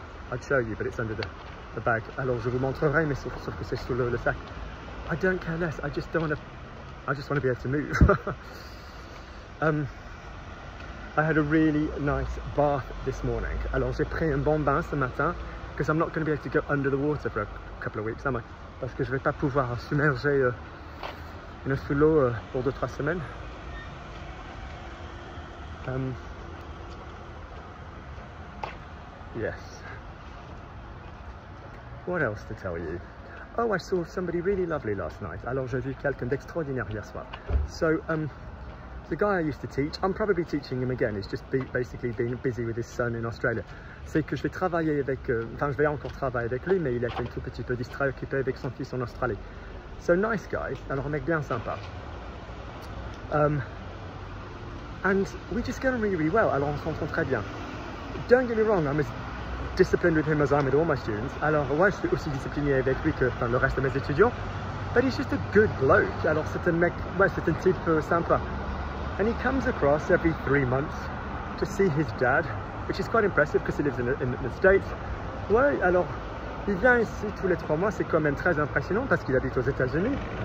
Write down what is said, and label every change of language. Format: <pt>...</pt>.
<en>I'd show you, but it's under the bag.</en> <fr>Alors je vous montrerai, mais sauf que c'est sous le sac.</fr> <en>I don't care less. I just don't want to I just want to be able to move. I had a really nice bath this morning.</en> <fr>Alors j'ai pris un bon bain ce matin,</fr> <en>because I'm not going to be able to go under the water for a couple of weeks, am I?</en> <fr>Parce que je vais pas pouvoir submerger sous l'eau pour 2-3 semaines.</fr> <en>Yes. What else to tell you? Oh, I saw somebody really lovely last night.</en> <fr>Alors, j'ai vu quelqu'un d'extraordinaire hier soir.</fr> <en>So, the guy I used to teach, I'm probably teaching him again. He's just basically been busy with his son in Australia.</en> <fr>C'est que je vais travailler avec, enfin, je vais encore travailler avec lui, mais il est un tout petit peu distrait, occupé avec son fils en Australie.</fr> <en>So, nice guy.</en> <fr>Alors, un mec bien sympa.</fr> <en>And we just get on really, really well.</en> <fr>Alors, on s'entend très bien.</fr> <en>Don't get me wrong, I'm as disciplined with him as I'm with all my students.</en> <fr>Alors, ouais, je suis aussi discipliné avec lui que enfin, le reste de mes étudiants.</fr> <en>But he's just a good bloke.</en> <fr>Alors, c'est un mec, ouais, c'est un type sympa.</fr> <en>And he comes across every 3 months to see his dad, which is quite impressive because he lives in the States.</en> <fr>Ouais, alors, il vient ici tous les 3 mois, c'est quand même très impressionnant parce qu'il habite aux États-Unis.</fr>